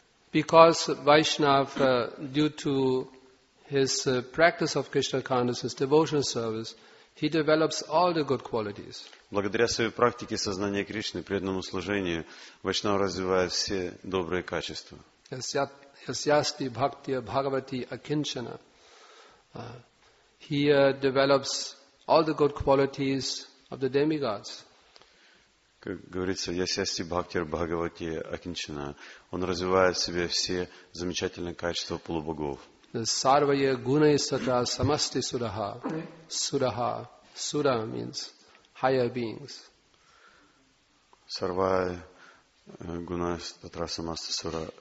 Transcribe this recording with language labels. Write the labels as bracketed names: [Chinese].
[English] Because Vaishnav, due to his practice of Krishna consciousness, devotional service, he develops all the good qualities. [Russian] Благодаря своей практике сознания Кришны, преданному служению, Вайшнав развивает все добрые качества. [Sanskrit] Yasyasti bhaktiya bhagavati akinchana. [English] He develops all the good qualities of the demigods. [Russian] Как говорится, [Sanskrit] Yasyasti bhaktiya bhagavati akinchana. [Russian] Он развивает в себе все замечательные качества полубогов. [Sanskrit] Sarvaya gunai sata samasti suraha. Suraha. [English] Sura means higher beings. [Sanskrit] Sarvaya gunai sata samasti sura.